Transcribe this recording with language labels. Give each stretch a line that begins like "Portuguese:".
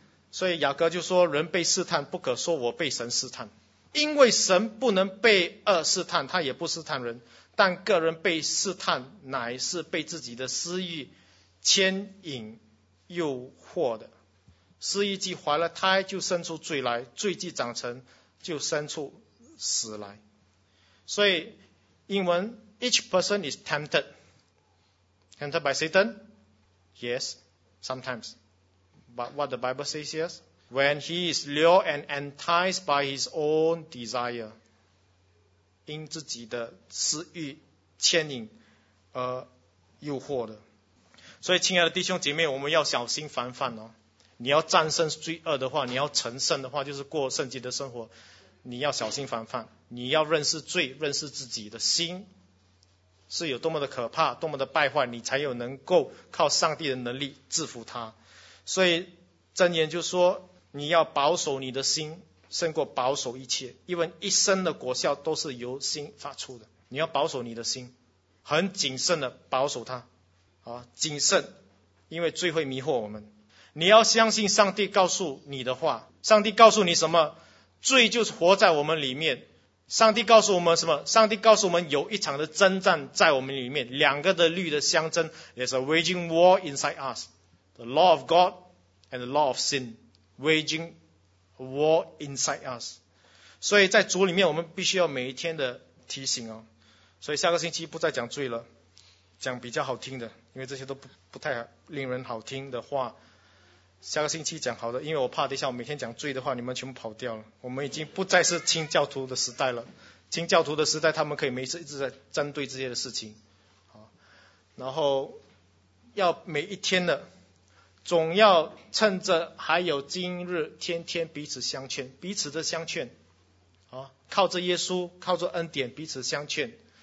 Chinese: 所以雅各就说，人被试探，不可说我被神试探，因为神不能被恶试探，他也不试探人，但个人被试探，乃是被自己的私欲牵引诱惑的。私欲既怀了胎，就生出罪来，罪既长成，就生出死来。所以英文
English: each person is tempted tempted by Satan yes sometimes but what the Bible says yes when he is lured and enticed by his own desire
Chinese: 因自己的私欲牵引而诱惑的。所以亲爱的弟兄姐妹，我们要小心防范哦。你要战胜罪恶的话，你要成圣的话，就是过圣洁的生活，你要小心防范，你要认识罪，认识自己的心是有多么的可怕，多么的败坏，你才有能够靠上帝的能力制服它。所以箴言就说，你要保守你的心胜过保守一切，因为一生的果效都是由心发出的。你要保守你的心，很谨慎的保守它，谨慎，因为罪会迷惑我们。你要相信上帝告诉你的话，上帝告诉你什么？罪就是活在我们里面。上帝告诉我们什么？上帝告诉我们有一场的征战在我们里面，两个的律的相争。
English: There's a waging war inside us, the law of God and the law of sin, waging war inside us.
Chinese: 所以在主里面，我们必须要每一天的提醒哦。所以下个星期不再讲罪了，讲比较好听的，因为这些都 不太令人好听的话，下个星期讲好的，因为我怕等一下我每天讲罪的话，你们全部跑掉了。我们已经不再是清教徒的时代了，清教徒的时代他们可以每次一直在针对这些的事情，然后要每一天的，总要趁着还有今日，天天彼此相劝，彼此的相劝，靠着耶稣，靠着恩典彼此相劝。